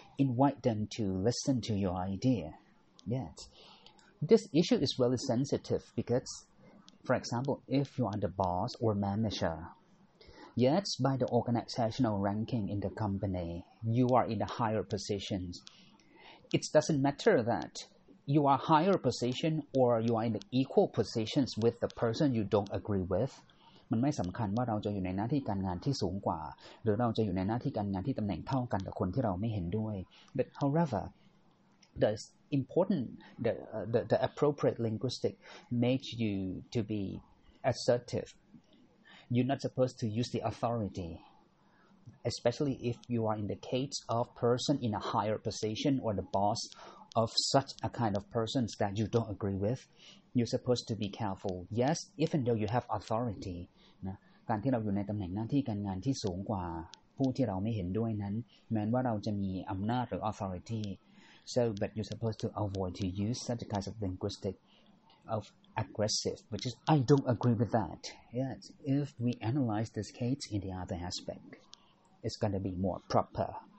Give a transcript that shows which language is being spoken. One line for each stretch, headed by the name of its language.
English: Invite them to listen to your idea. Yes, this issue is really sensitive because, for example, if you are the boss or manager, yes, by the organizational ranking in the company, you are in the higher positions. It doesn't matter that you are higher position or you are in the equal positions with the person you don't agree with.
Thai: มันไม่สำคัญว่าเราจะอยู่ในหน้าที่การงานที่สูงกว่าหรือเราจะอยู่ในหน้าที่การงานที่ตำแหน่งเท่ากันกับคนที่เราไม่เห็นด้วย
English: But however,The appropriate linguistic makes you to be assertive. You're not supposed to use the authority, especially if you are in the case of person in a higher position or the boss of such a kind of persons that you don't agree with. You're supposed to be careful. Yes, even though you have authority,
Thai: การที่เราอยู่ในตำแหน่งหน้าที่การงานที่สูงกว่าผู้ที่เราไม่เห็นด้วยนั้นแม้ว่าเราจะมีอำนาจหรือ
English: authoritySo, but you're supposed to avoid to use such a kind of linguistic of aggressive, which is, I don't agree with that. Yes, if we analyze this case in the other aspect, it's going to be more proper.